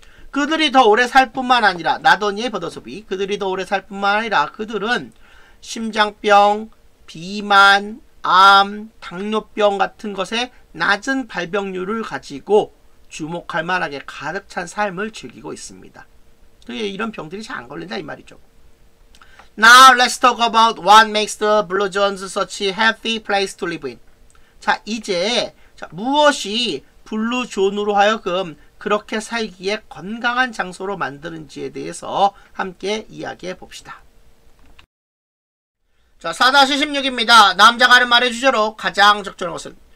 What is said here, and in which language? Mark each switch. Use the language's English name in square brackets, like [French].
[Korean] 그들이 더 오래 살 뿐만 아니라 나도니의 버더소비 그들이 더 오래 살 뿐만 아니라 그들은 심장병, 비만, 암, 당뇨병 같은 것에 낮은 발병률을 가지고 주목할 만하게 가득 찬 삶을 즐기고 있습니다. 이런 병들이 잘 안 걸린다 이 말이죠. [English] Now let's talk about what makes the Blue Zones such a happy place to live in. [Korean] 자 이제 무엇이 블루존으로 하여금 그렇게 살기에 건강한 장소로 만드는지에 대해서 함께 이야기해 봅시다. 자, 4-16입니다. 남자가 하는 말의 주제로 가장 적절한 것은?